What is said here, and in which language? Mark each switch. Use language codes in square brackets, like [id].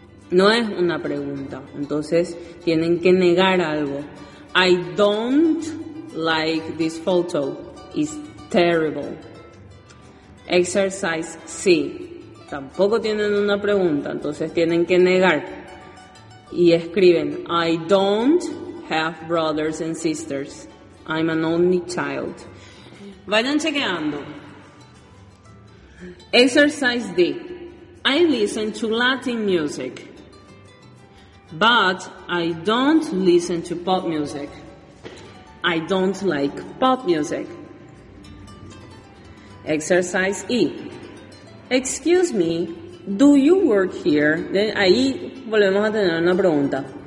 [es] No es una pregunta. Entonces, tienen que negar algo. [en] I don't like this photo. It's terrible. Exercise C. [es] Tampoco tienen una pregunta. Entonces, tienen que negar. Y escriben. [en] I don't have brothers and sisters. I'm an only child. [es] Vayan chequeando. [en] Exercise D. I listen to Latin music, but I don't listen to pop music. I don't like pop music. Exercise E. Excuse me, do you work here? [es] De ahí volvemos a tener una pregunta.